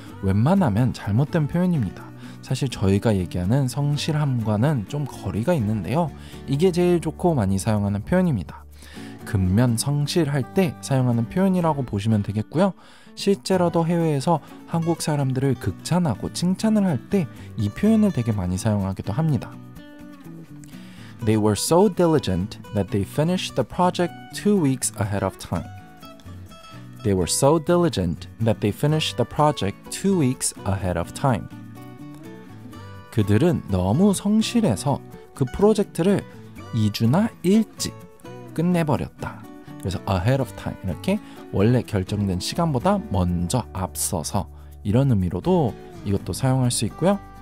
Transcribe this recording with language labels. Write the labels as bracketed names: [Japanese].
[Korean] 웬만하면 잘못된 표현입니다. 사실 저희가 얘기하는 성실함과는 좀 거리가 있는데요. 이게 제일 좋고 많이 사용하는 표현입니다. 근면 성실할 때 사용하는 표현이라고 보시면 되겠고요. 실제로도 해외에서 한국 사람들을 극찬하고 칭찬을 할 때 이 표현을 되게 많이 사용하기도 합니다. [English] They were so diligent that they finished the project 2 weeks ahead of time. They were so diligent that they finished the project 2 weeks ahead of time. [Korean] 그들은 너무 성실해서 그 프로젝트를 2주나 일찍 끝내버렸다. 그래서 ahead of time, 이렇게 원래 결정된 시간보다 먼저 앞서서 이런 의미로도 이것도 사용할 수 있고요.